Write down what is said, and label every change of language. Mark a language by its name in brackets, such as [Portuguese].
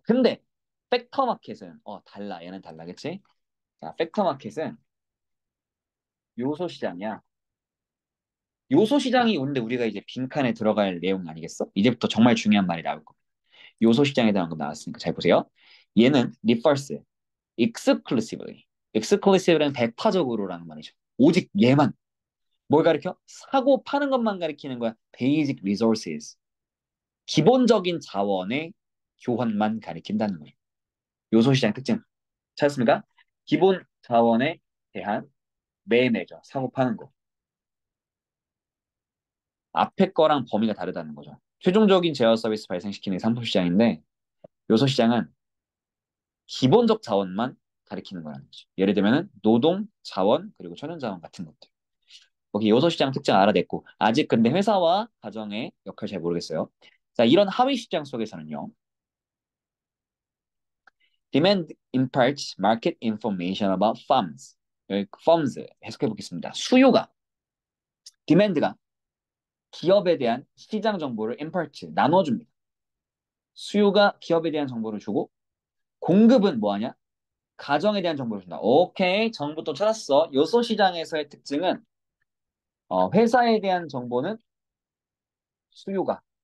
[Korean] 근데 팩터 마켓은 달라. 얘는 달라, 그치? 자, 팩터 마켓은 요소 시장이야. 요소 시장이 오는데 우리가 이제 빈칸에 들어갈 내용 아니겠어? 이제부터 정말 중요한 말이 나올 겁니다. 요소 시장에 대한 거 나왔으니까 잘 보세요. 얘는 [English] refers exclusively. [Korean] exclusively는 배타적으로라는 말이죠. 오직 얘만. 뭘 가리켜? 사고 파는 것만 가리키는 거야. [English] basic resources. [Korean] 기본적인 자원의 교환만 가리킨다는 거예요. 요소 시장의 특징. 찾았습니까? 기본 자원에 대한 매매죠. 사고 파는 거. 앞에 거랑 범위가 다르다는 거죠. 최종적인 제어 서비스 발생시키는 게 상품 시장인데, 요소 시장은 기본적 자원만 가리키는 거라는 거죠. 예를 들면, 노동, 자원, 그리고 천연 자원 같은 것들. 오케이, 요소 시장 특징 알아냈고, 아직 근데 회사와 가정의 역할 잘 모르겠어요. 자, 이런 하위 시장 속에서는요. [English] Demand imparts market information about firms. [Korean] firms 해석해 보겠습니다. 수요가, demand가 기업에 대한 시장 정보를 impart, 나눠줍니다. 수요가 기업에 대한 정보를 주고, 공급은 뭐 하냐? 가정에 대한 정보를 준다. 오케이, 정보 또 찾았어. 요소 시장에서의 특징은, 회사에 대한 정보는 수요가.